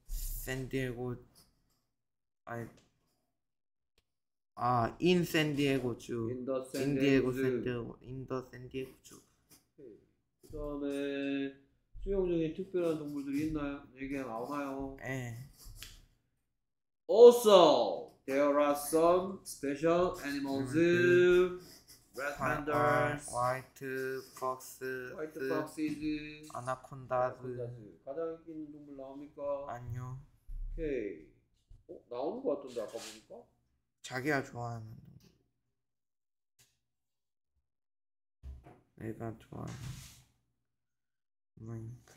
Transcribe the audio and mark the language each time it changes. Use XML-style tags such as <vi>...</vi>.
<en>샌디에고 아니 아 인 샌디에고 주 인 더 샌디에고 주</en> <ko>그 다음에 수영 중에 특별한 동물들이 있나요? 얘기가 나오나요? 네</ko> <en>Also there are some special animals red pandas white foxes anacondas</en> <ko>가장 인기 있는 동물 나옵니까? 아니요. 오케이. 어? 나오는 것 같은데 아까 보니까 자기가 좋아하는 내가 좋아하는</ko>